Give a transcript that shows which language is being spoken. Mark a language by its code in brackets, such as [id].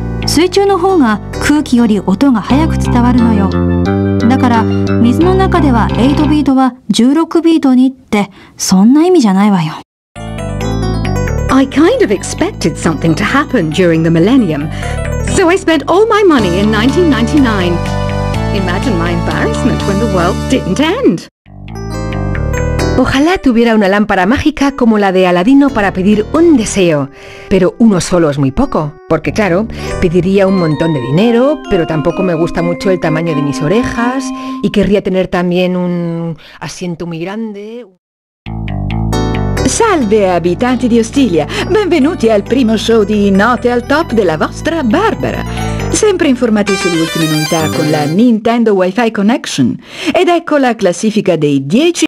[ja] 水中の方が空気より音が早く伝わるのよ。だから水の中では8ビートは16ビートにって、そんな意味じゃないわよ。 [en] I kind of expected something to happen during the millennium. So I spent all my money in 1999. Imagine my embarrassment when the world didn't end. [es] Ojalá tuviera una lámpara mágica como la de Aladino para pedir un deseo. Pero uno solo es muy poco. Porque claro, pediría un montón de dinero, pero tampoco me gusta mucho el tamaño de mis orejas y querría tener también un asiento muy grande. [it] Salve abitanti di Ostiglia, benvenuti al primo show di Note al Top della vostra Barbara. Sempre informati sulle ultime novità con la Nintendo Wi-Fi Connection. Ed ecco la classifica dei 10